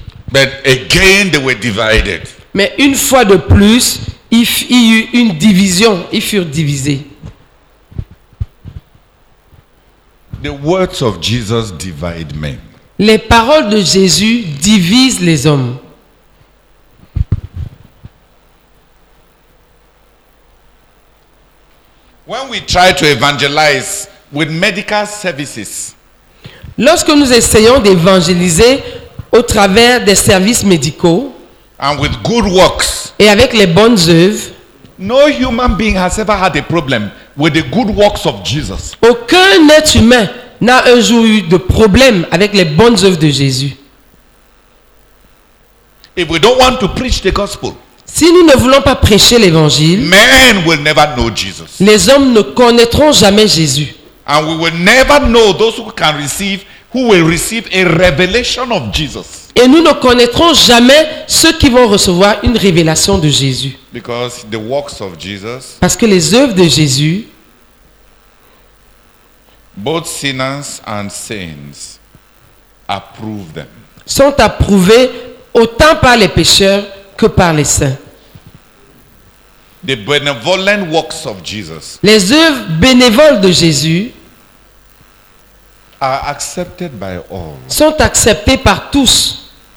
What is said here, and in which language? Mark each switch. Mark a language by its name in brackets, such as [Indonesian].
[English] But again, they were divided. [French] Mais une fois de plus, il y eut une division. Ils furent divisés. [English] The words of Jesus divide men. [French] Les paroles de Jésus divisent les hommes. [English] When we try to evangelize with medical services, [French] lorsque nous essayons d'évangéliser au travers des services médicaux [English] and with good works, [French] et avec les bonnes œuvres, [English] no human being has ever had a problem with the good works of Jesus. [French] Aucun être humain n'a un jour eu de problème avec les bonnes œuvres de Jésus. [English] If we don't want to preach the gospel, [French] si nous ne voulons pas prêcher l'évangile, [English] men will never know Jesus. [French] Les hommes ne connaîtront jamais Jésus. [English] And we will never know those who can receive a revelation of Jesus. [French] Et nous ne connaîtrons jamais ceux qui vont recevoir une révélation de Jésus. [English] Because the works of Jesus, [French] parce que les œuvres de Jésus, [English] both sinners and saints, approve them. [French] Sont approuvées autant par les pécheurs que par les saints. [English] The benevolent works of Jesus, [French] les œuvres bénévoles de Jésus, [English] are accepted by all. [French] Sont acceptées par tous.